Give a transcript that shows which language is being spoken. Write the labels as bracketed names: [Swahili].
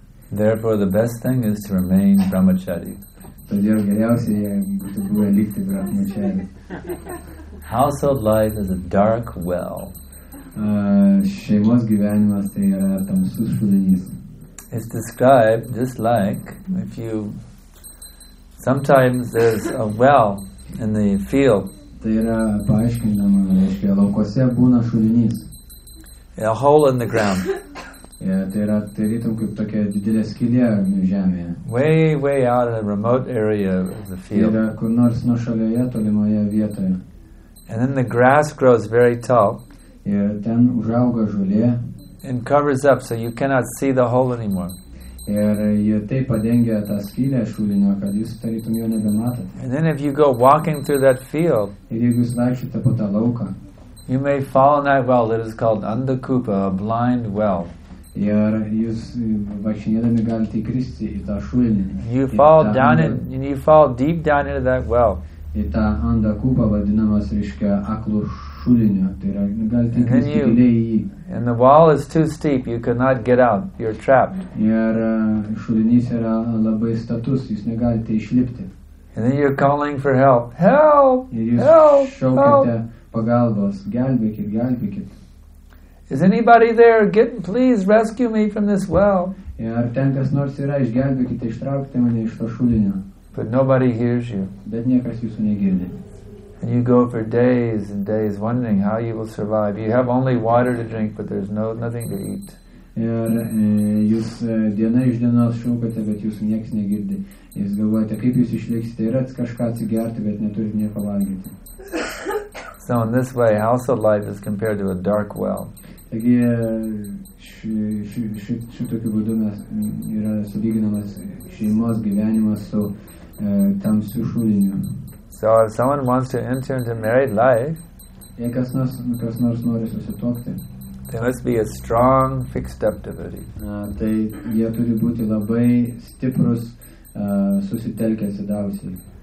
[English] Therefore, the best thing is to remain brahmachari. [Lithuanian] Todėl geriausia, jei būtų buvę likti brahmačarį. [English] Household life is a dark well. [Lithuanian] Šeimos gyvenimas tai yra tamsus šulinys. [English] It's described just like if you sometimes there's a well in the field. [Lithuanian] Tai yra paaiškinama, reiškia, laukose būna šulinys. [English] A hole in the ground. [Lithuanian] Tai yra tarytum kaip tokia didelė skylė žemėje. [English] Way, way out in a remote area of the field. [Lithuanian] Yra kur nors nuošalioje, tolimoje vietoje. [English] And then the grass grows very tall. [Lithuanian] Ir ten užauga žolė. [English] And covers up, so you cannot see the hole anymore. [Lithuanian] Ir jie taip padengia tą skylę šulinio, kad jūs tarytum jo nebematote. [English] And then if you go walking through that field, [Lithuanian] ir jeigu jūs vaikščiate po tą lauką, [English] you may fall in that well that is called Andhakupa, a blind well. [Lithuanian] Ir jūs vaikščinėdami galite įkristi į tą šulinį. [English] You fall down in, you fall deep down into that well. [Lithuanian] Į tą Andhakupa vadinamas, reiškia, aklų šulinio, tai yra, galite įkristi giliai į jį. [English] And the wall is too steep, you cannot get out, you're trapped. [Lithuanian] Ir šulinys yra labai status, jūs negalite išlipti. [English] And then you're calling for help. Help! [Lithuanian] Ir jūs šaukiate pagalbos, gelbėkit, gelbėkit. [English] Is anybody there? Get, please rescue me from this well. [Lithuanian] Ir ten kas nors yra, išgelbėkite, ištraukite mane iš to šulinio. [English] But nobody hears you. [Lithuanian] Bet niekas jūsų negirdi. [English] And you go for days and days wondering how you will survive. You have only water to drink, but there's no nothing to eat. [Lithuanian] Ir jūs diena iš dienos šaukate, bet jūsų niekas negirdi. Jūs galvojate, kaip jūs išliksite, yra kažką atsigerti, bet neturite nieko valgyti. [English] So in this way, household life is compared to a dark well. [Lithuanian] Taigi, šitokiu būdu mes yra sulyginamas šeimos gyvenimas su tamsiu šuliniu. [English] So if someone wants to enter into married life, [Lithuanian] jei kas nors nori susituokti, [English] they must be a strong, fixed-up devotee. [Lithuanian] Tai jie turi būti labai stiprus, susitelkę, atsidavusiai.